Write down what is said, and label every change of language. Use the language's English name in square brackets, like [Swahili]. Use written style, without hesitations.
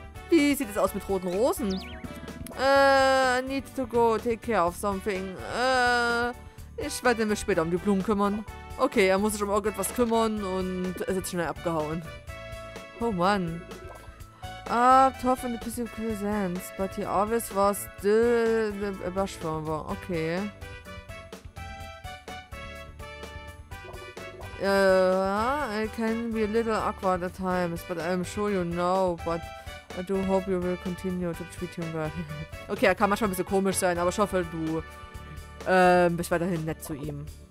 [German] Wie sieht es aus mit roten Rosen? [English] I need to go take care of something. [German] Ich werde mich später um die Blumen kümmern. Okay, er muss sich um irgendetwas kümmern und ist jetzt schnell abgehauen. Oh Mann. [English] Tough in the physical sense, but he always was still a bashful. Okay. I can be a little awkward at times, but I'm sure you know, but I do hope you will continue to treat him well. [German] Okay, er kann manchmal ein bisschen komisch sein, aber ich hoffe, du bist weiterhin nett zu ihm.